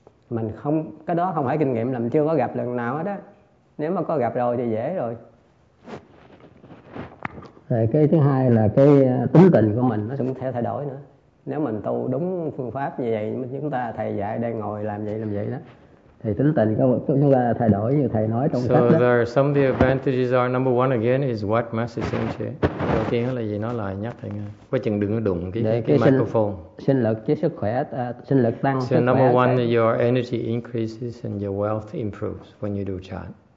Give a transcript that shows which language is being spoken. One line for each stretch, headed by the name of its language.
Vietnamese: Mình không, cái đó không phải kinh nghiệm, là mình chưa có gặp lần nào hết đó. Nếu mà có gặp rồi thì dễ rồi. Rồi cái thứ hai là cái tính tình của mình nó cũng theo thay đổi nữa. Nếu mình tu đúng phương pháp như vậy, chúng ta thầy dạy đang ngồi làm vậy đó, Thì tính tình có một chút là thay đổi như thầy nói trong so sách đó.
English: So there are some of the advantages are, number one again is what message sent to you.
Vietnamese: Đầu tiên là gì, nó lại nhắc thầy nghe. Quay chừng đừng có đụng cái microphone. Sinh lực chứ sức khỏe, sinh lực tăng.
English: So number one, thầy, your energy increases and your wealth improves when you do chant.